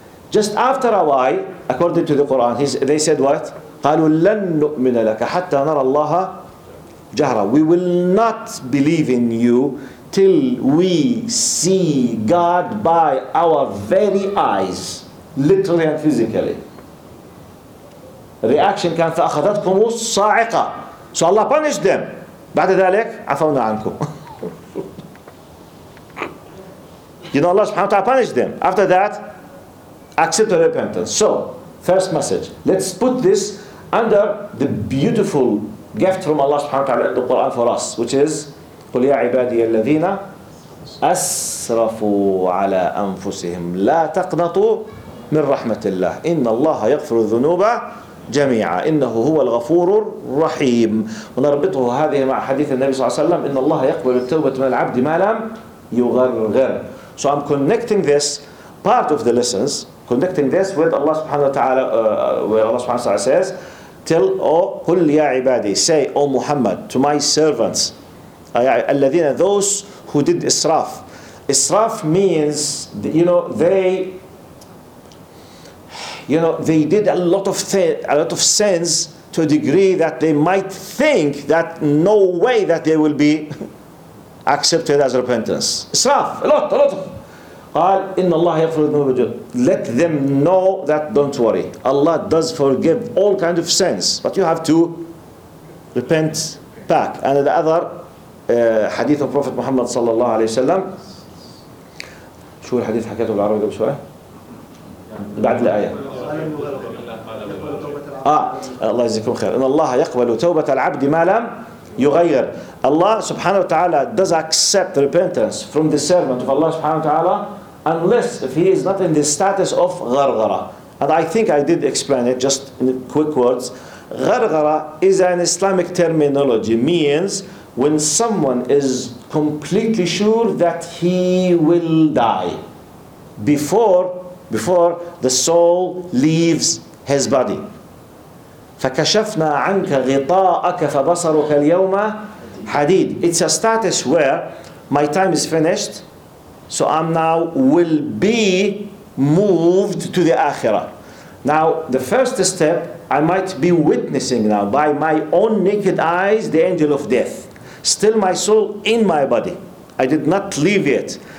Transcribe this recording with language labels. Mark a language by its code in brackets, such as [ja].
[en] Just after a while, according to the Quran, they said what? [ar] قَالُوا لَن نُؤْمِنَ لَكَ حَتَّى نَرَى اللَّهَ جهرة. [en] We will not believe in you till we see God by our very eyes, literally and physically. [ar] Reaction كان فأخذتكم الصاعقة. [en] So Allah punished them. [ar] بعد ذلك عفونا عنكم. [en] You know Allah سبحانه وتعالى punished them. After that, accept repentance. So first message. Let's put this under the beautiful gift from Allah subhanahu wa ta'ala in the Quran for us, which is [ar] قُلْ يَا عِبَادِيَ الَّذِينَ أَسْرَفُوا عَلَىٰ أَنفُسِهِمْ لَا تَقْنَطُوا مِنْ رَحْمَةِ اللَّهِ إِنَّ اللَّهَ يَغْفِرُ الذُّنُوبَ جميعا إنه هو الغفور الرحيم. ونربطه هذه مع حديث النبي صلى الله عليه وسلم إن الله يقبل التوبة من العبد ما لم يغرغر. [en] So I'm connecting this part of the lessons, connecting this with Allah subhanahu wa ta'ala, where Allah subhanahu wa ta'ala says, tell, oh, قل يا عبادي, say, oh Muhammad, to my servants, الذين, those who did israf. Israf means, you know, they did a lot of sins to a degree that they might think that no way that they will be accepted as repentance. Israf, a lot of. [ar] قال إن الله يغفر الذنوب جميعا. [en] Let them know that, don't worry, Allah does forgive all kind of sins, but you have to repent back. And the other حديث of Prophet Muhammad صلى الله عليه وسلم. [ar] شو الحديث حكيته بالعربي قبل شوية؟ بعد الآية. الله يجزيكم خير. إن الله يقبل توبة العبد ما لم يغير. [en] Allah سبحانه وتعالى does accept repentance from the servant of Allah سبحانه وتعالى unless if he is not in the status of غرغرة. And I think I did explain it just in quick words. غرغرة is an Islamic terminology, means when someone is completely sure that he will die before the soul leaves his body. [ar] فكشفنا عنك غطاءك فبصرك اليوم حديد. [en] It's a status where my time is finished, so I'm now will be moved to the Akhirah. Now, the first step, I might be witnessing now by my own naked eyes the angel of death. Still my soul in my body. I did not leave yet.